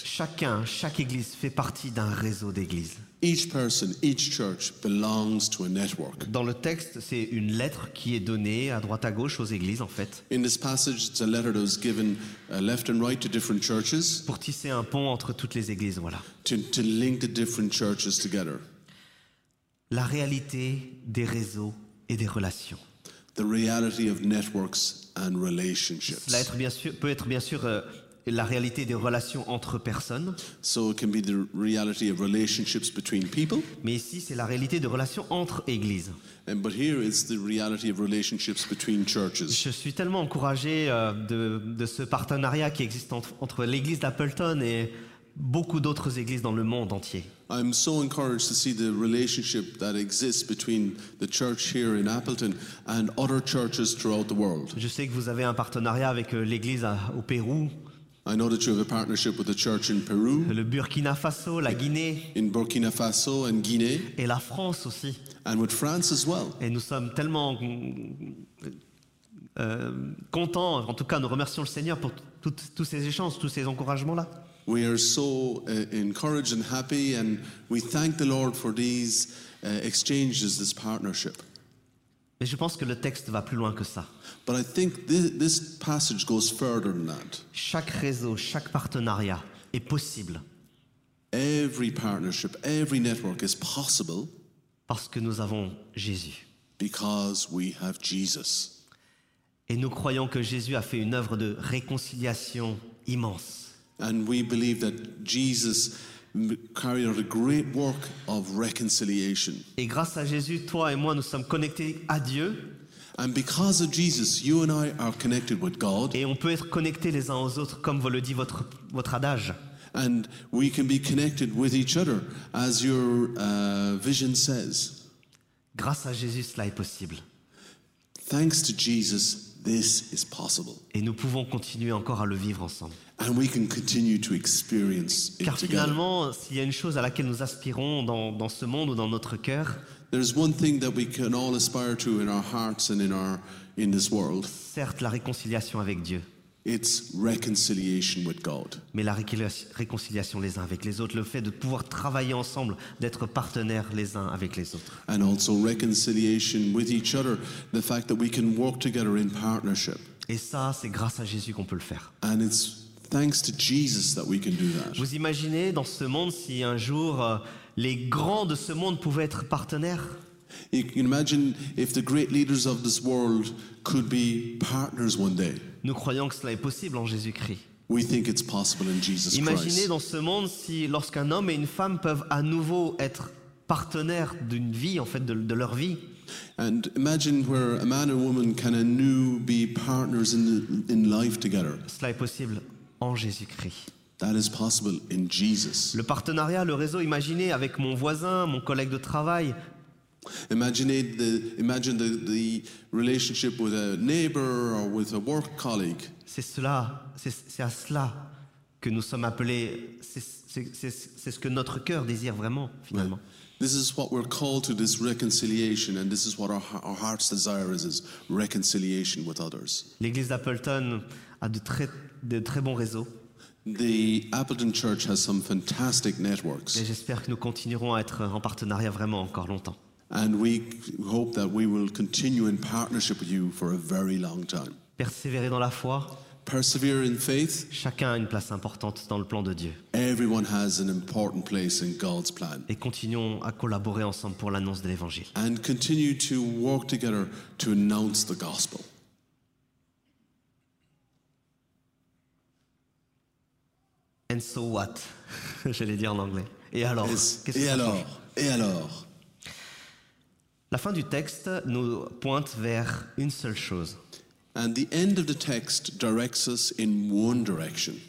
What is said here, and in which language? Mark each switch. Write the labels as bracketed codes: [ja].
[fr] Chacun, chaque église fait partie d'un réseau d'églises. [en] Each person, each church belongs to a network. [fr] Dans le texte, c'est une lettre qui est donnée à droite à gauche aux églises, en fait. [en] In this passage, it's a letter that was given left and right to different churches. [fr] Pour tisser un pont entre toutes les églises, voilà. [en] To link the different churches together. [fr] La réalité des réseaux et des relations. [en] The reality of networks and relationships. [fr] Cela peut être bien sûr la réalité des relations entre personnes. [en] So it can be the reality of relationships between people. [fr] Mais ici, c'est la réalité de relations entre églises. [en] And but here is the reality of relationships between churches. [fr] Je suis tellement encouragé de ce partenariat qui existe entre l'église d'Appleton et beaucoup d'autres églises dans le monde entier. [en] I'm so encouraged to see the relationship that exists between the church here in Appleton and other churches throughout the world. [fr] Je sais que vous avez un partenariat avec l'église au Pérou. [en] I know that you have a partnership with the church in Peru. [fr] Le Burkina Faso, la Guinée. [en] In Burkina Faso and Guinée. [fr] Et la France aussi. [en] And with France as well. [fr] Et nous sommes tellement contents, en tout cas nous remercions le Seigneur pour tous ces échanges, tous ces encouragements-là. [en] We are so encouraged and happy, and we thank the Lord for these exchanges, this partnership. [fr] Mais je pense que le texte va plus loin que ça. [en] But I think this passage goes further than that. [fr] Chaque réseau, chaque partenariat est possible. [en] Every partnership, every network is possible. [fr] Parce que nous avons Jésus. [en] Because we have Jesus. [fr] Et nous croyons que Jésus a fait une œuvre de réconciliation immense. [en] And we believe that Jesus carried out a great work of reconciliation. [fr] Et grâce à Jésus, toi et moi, nous sommes connectés à Dieu. [en] And because of Jesus, you and I are connected with God. [fr] Et on peut être connectés les uns aux autres, comme vous le dit votre adage. [en] And we can be connected with each other, as your vision says. [fr] Grâce à Jésus, cela est possible. [en] Thanks to Jesus, this is possible. [fr] Et nous pouvons continuer encore à le vivre ensemble. [en] And we can continue to experience it [fr] Car [en] together. [fr] Finalement, s'il y a une chose à laquelle nous aspirons dans ce monde ou dans notre cœur, certes, la réconciliation avec Dieu. [en] It's reconciliation with God. [fr] Mais la réconciliation les uns avec les autres, le fait de pouvoir travailler ensemble, d'être partenaires les uns avec les autres. [en] And also reconciliation with each other, the fact that we can work together in partnership. [fr] Et ça, c'est grâce à Jésus qu'on peut le faire. [en] And it's thanks to Jesus that we can do that. [fr] Vous imaginez dans ce monde si un jour les grands de ce monde pouvaient être partenaires? [en] You can imagine if the great leaders of this world could be partners one day. [fr] Nous croyons que cela est possible en Jésus-Christ. [en] We think it's possible in Jesus Christ. [fr] Imaginez dans ce monde si lorsqu'un homme et une femme peuvent à nouveau être partenaires d'une vie, en fait, de leur vie. [en] And imagine where a man and woman can anew be partners in life together. [fr] Cela est possible en Jésus-Christ. [en] That is possible in Jesus. [fr] Le partenariat, le réseau, imaginez avec mon voisin, mon collègue de travail. [en] Imagine the relationship with a neighbor or with a work colleague. [fr] C'est à cela que nous sommes appelés. C'est ce que notre cœur désire vraiment, finalement. [en] Right. This is what we're called to, this reconciliation, and this is what our heart's desire is reconciliation with others. [fr] L'église d'Appleton a de très bons réseaux. [en] The Appleton Church has some fantastic networks. [fr] Et j'espère que nous continuerons à être en partenariat vraiment encore longtemps. [en] And we hope that we will continue in partnership with you for a very long time. [fr] Persévérer dans la foi. [en] Persevere in faith. [fr] Chacun a une place importante dans le plan de Dieu. [en] Everyone has an important place in God's plan. [fr] Et continuons à collaborer ensemble pour l'annonce de l'Évangile. [en] And continue to work together to announce the gospel. And so what? [fr] J'allais dire en anglais. Et alors? Et alors? La fin du texte nous pointe vers une seule chose. [en] And the end of the text directs us in one direction.